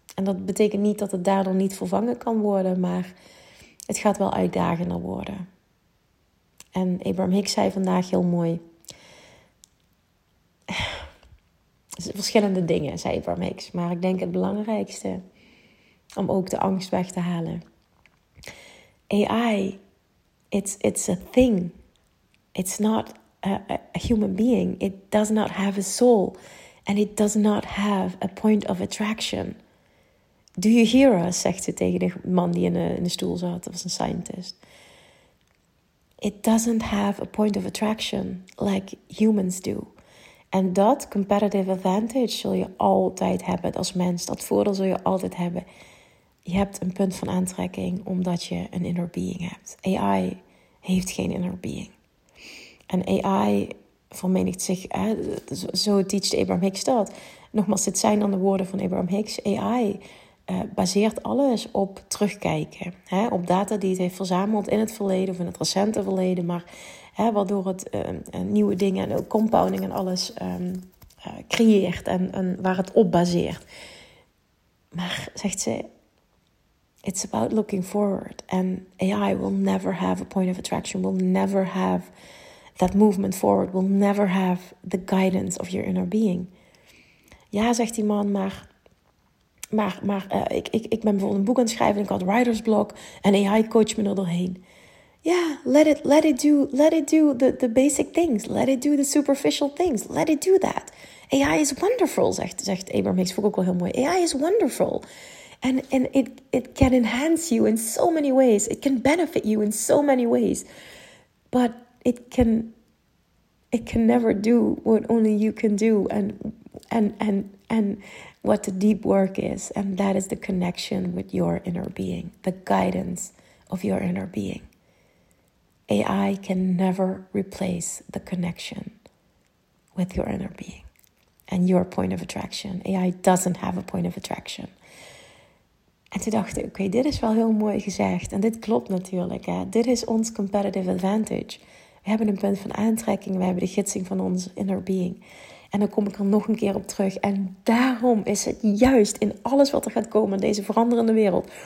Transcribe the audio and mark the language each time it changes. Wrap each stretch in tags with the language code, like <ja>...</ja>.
<nl>En dat betekent niet dat het daardoor niet vervangen kan worden, maar het gaat wel uitdagender worden. En Abraham Hicks zei vandaag heel mooi, verschillende dingen, zei Abraham Hicks. Maar ik denk het belangrijkste, om ook de angst weg te halen.</nl> <en>AI, it's a thing. It's not a human being, it does not have a soul and it does not have a point of attraction. Do you hear us,</en> <nl>zegt ze tegen de man die in de stoel zat, dat was een scientist.</nl> <en>It doesn't have a point of attraction like humans do.</en> <nl>En dat competitive advantage zul je altijd hebben als mens, dat voordeel zul je altijd hebben. Je hebt een punt van aantrekking omdat je een inner being hebt. AI heeft geen inner being. En AI vermenigt zich, zo teacht Abraham Hicks dat. Nogmaals, dit zijn dan de woorden van Abraham Hicks. AI baseert alles op terugkijken. Hè, op data die het heeft verzameld in het verleden of in het recente verleden. Maar waardoor het nieuwe dingen en ook compounding en alles creëert. En waar het op baseert. Maar, zegt ze,</nl> <en>it's about looking forward. And AI will never have a point of attraction. Will never have that movement forward, will never have the guidance of your inner being.</en> <nl>Ja, zegt die man, ik ben bijvoorbeeld een boek aan het schrijven, ik had writer's block, en AI coach me er doorheen.</nl> <en>Ja, let it do the basic things. Let it do the superficial things. Let it do that. AI is wonderful,</en> <nl>zegt Abraham Hicks, vond ik ook wel heel mooi.</nl> <en>AI is wonderful. And it can enhance you in so many ways. It can benefit you in so many ways. But it can never do what only you can do. And And what the deep work is. And that is the connection with your inner being. The guidance of your inner being. AI can never replace the connection with your inner being. And your point of attraction. AI doesn't have a point of attraction.</en> <nl>En toen dacht ik, oké, okay, dit is wel heel mooi gezegd. En dit klopt natuurlijk. Hè? Dit is ons competitive advantage. We hebben een punt van aantrekking. We hebben de gidsing van ons inner being. En dan kom ik er nog een keer op terug. En daarom is het juist in alles wat er gaat komen in deze veranderende wereld.</nl>